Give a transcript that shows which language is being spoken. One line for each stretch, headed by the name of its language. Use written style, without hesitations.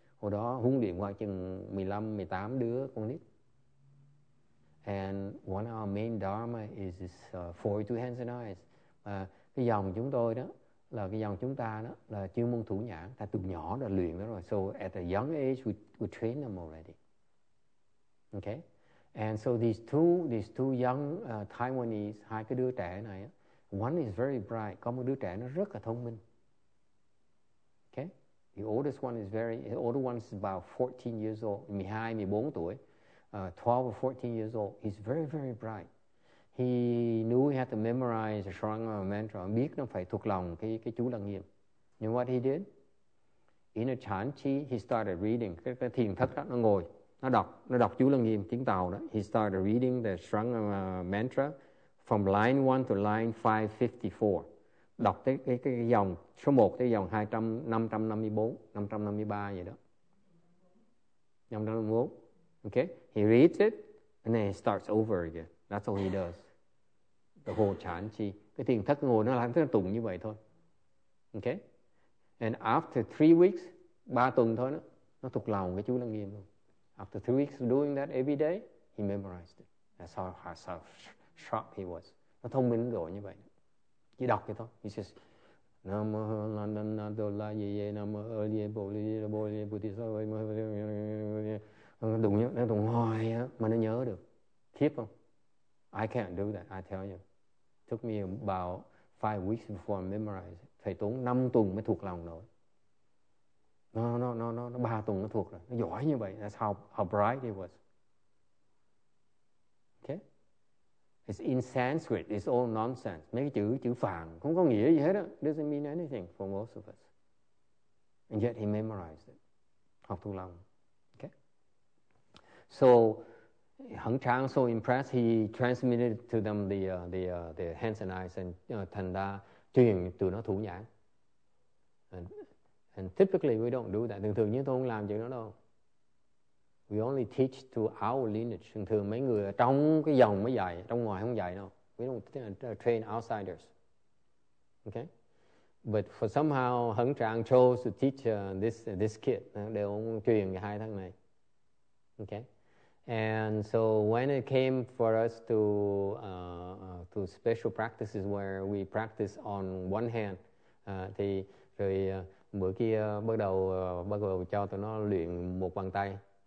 Vietnamese: Hồi đó huấn luyện khoảng chừng 15, 18 đứa con nít.
English: And one of our main dharma is this 42 hands and eyes.
Vietnamese: Cái dòng chúng tôi đó, là cái dòng chúng ta đó là chuyên môn thủ nhãn, ta từ nhỏ đã luyện đó rồi.
English: So at a young age we train them already. Okay, and so these two young Taiwanese,
Vietnamese: hai cái đứa trẻ này,
English: one is very bright,
Vietnamese: có một đứa trẻ nó rất là thông minh.
English: Okay, the older one is about 14 years old,
Vietnamese: 12, 14 tuổi,
English: 12 or 14 years old. He's very very bright. He knew he had to memorize the Sharanga mantra.
Vietnamese: Biết nó phải thuộc lòng cái chú Lăng Nghiêm.
English: You know what he did? In a chán chi, he started reading.
Vietnamese: Cái thiền thất đó, nó đọc chú Lăng Nghiêm, tiếng Tàu đó.
English: He started reading the Sharanga mantra from line 1 to line 554.
Vietnamese: Đọc tới cái dòng số 1 tới dòng 554, 553 vậy đó.
English: 554. Okay? He reads it, and then he starts over again. That's all he does. The whole chán chi.
Vietnamese: Cái thiền thất ngồi nó làm thế tụng như vậy thôi. Okay?
English: And after 3 weeks,
Vietnamese: 3 tuần thôi đó, nó thuộc lòng cái chú Lăng Nghiêm luôn.
English: After 3 weeks of doing that every day, he memorized it. That's how sharp he was.
Vietnamese: Nó thông minh rồi như vậy. Chỉ đọc vậy thôi.
English: He just
Sanskrit: Namo landan nado la ye ye namo ali ye bo li ye bo li ye buti sa vai mo li ye li ye.
Vietnamese: Đúng nhớ, nó đúng hoài á, mà nó nhớ được. Khiếp không?
English: I can't do that, I tell you. Took me about 5 weeks before I memorized.
Vietnamese: Phải tốn 5 tuần mới thuộc lòng rồi. Nó 3 tuần nó thuộc rồi. Nó giỏi như vậy.
English: That's how bright it was. Okay? It's in Sanskrit. It's all nonsense.
Vietnamese: Mấy cái chữ phàn không có nghĩa gì hết á.
English: Doesn't mean anything for most of us. And yet he memorized it.
Vietnamese: Học thuộc lòng.
English: Okay? So, Hằng Trang so impressed, he transmitted to them the hands and eyes and
Vietnamese: thành ra truyền từ nó thủ nhãn.
English: And typically we don't do that.
Vietnamese: Thường thường như tôi không làm chuyện đó đâu.
English: We only teach to our lineage.
Vietnamese: Thường thường mấy người trong cái dòng mới dạy, trong ngoài không dạy đâu.
English: We don't train outsiders. Okay? But for somehow Hằng Trang chose to teach this kid.
Vietnamese: Để ông truyền cái hai thằng này. Okay?
English: And so when it came for us to special practices where we practice on one hand,
Vietnamese: thì rồi bữa kia bắt đầu cho tụi nó luyện một bàn tay.